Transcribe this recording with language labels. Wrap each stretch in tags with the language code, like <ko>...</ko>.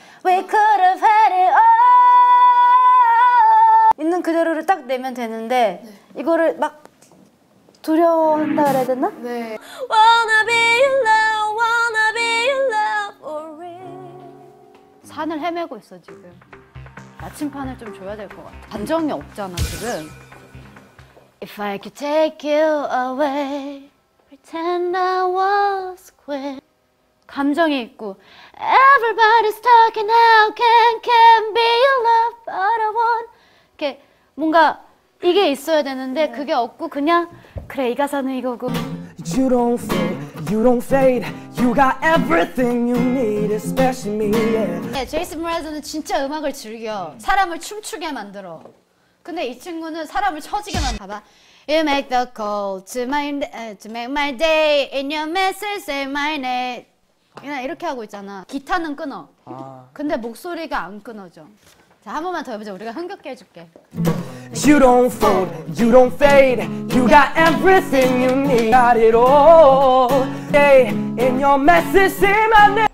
<en>We could have it all</en> <ko>있는 그대로를 딱 내면 되는데 네. 이거를 막 두려워한다 그래야 되나? 네.</ko> <en>Wanna be in love, wanna be in love for real.</en> <ko>산을 헤매고 있어 지금. 나침판을 좀 줘야 될 것 같아. 감정이 없잖아 지금.</ko> <en>If I could take you away, pretend I was queen.</en> <ko>감정이 있고.</ko> <en>Everybody's talking how can be in love, but I won't.</en> <ko>이렇게 뭔가 이게 있어야 되는데 네. 그게 없고 그냥. 그래 이 가사는 이거고.</ko> <en>You don't fade, you don't fade. You got everything you need, especially me. Yeah.</en> <ko>네, 제이슨 브라즈는 진짜 음악을 즐겨. 사람을 춤추게 만들어. 근데 이 친구는 사람을 처지게 만들어. 봐봐.</ko> <en>You make the call to make my day, and your message say my name.</en> <ko>그냥 이렇게 하고 있잖아. 기타는 끊어. 아. 근데 목소리가 안 끊어져. 자, 한 번만 더 해보자. 우리가 흥겹게 해줄게.</ko> <en>You don't fold, you don't fade. You got everything you need. Got it all. Hey, in your message, say my name.</en>